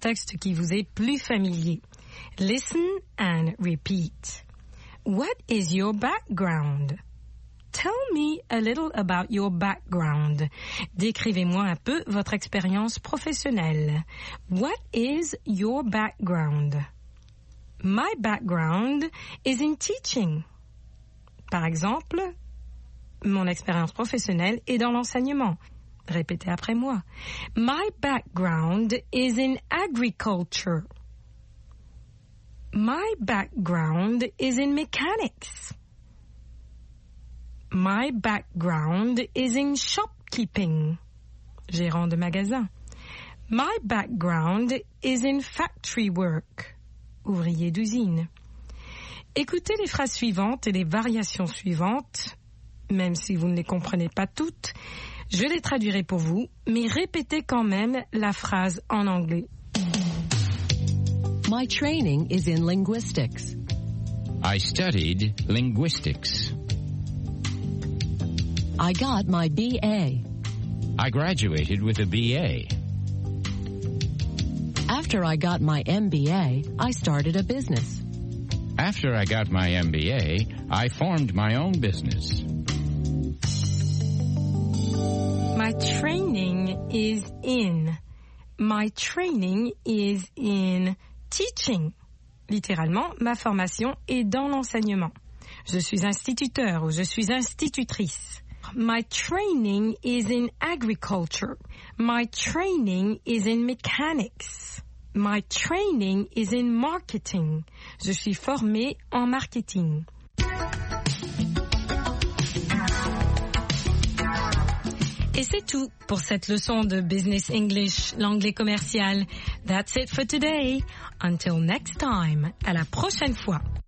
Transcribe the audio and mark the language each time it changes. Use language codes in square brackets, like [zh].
[fr] texte qui vous est plus familier. [en] Listen and repeat. What is your background? Tell me a little about your background. [fr] Décrivez-moi un peu votre expérience professionnelle. [en] What is your background? My background is in teaching. [fr] Par exemple, mon expérience professionnelle est dans l'enseignement. Répétez après moi. [en] My background is in agriculture. My background is in mechanics. My background is in shopkeeping. [fr] Gérant de magasin. [en] My background is in factory work. [fr] Ouvrier d'usine. Écoutez les phrases suivantes et les variations suivantes. Même si vous ne les comprenez pas toutes, je les traduirai pour vous, mais répétez quand même la phrase en anglais. [en] My training is in linguistics. I studied linguistics. I got my BA. I graduated with a BA. After I got my MBA, I started a business. After I got my MBA, I formed my own business. My training is in. My training is in teaching. [fr] Littéralement, ma formation est dans l'enseignement. Je suis instituteur ou je suis institutrice. [en] My training is in agriculture. My training is in mechanics. My training is in marketing. [fr] Je suis formé en marketing. Et c'est tout pour cette leçon de Business English, l'anglais commercial. [en] That's it for today. Until next time, [fr] à la prochaine fois.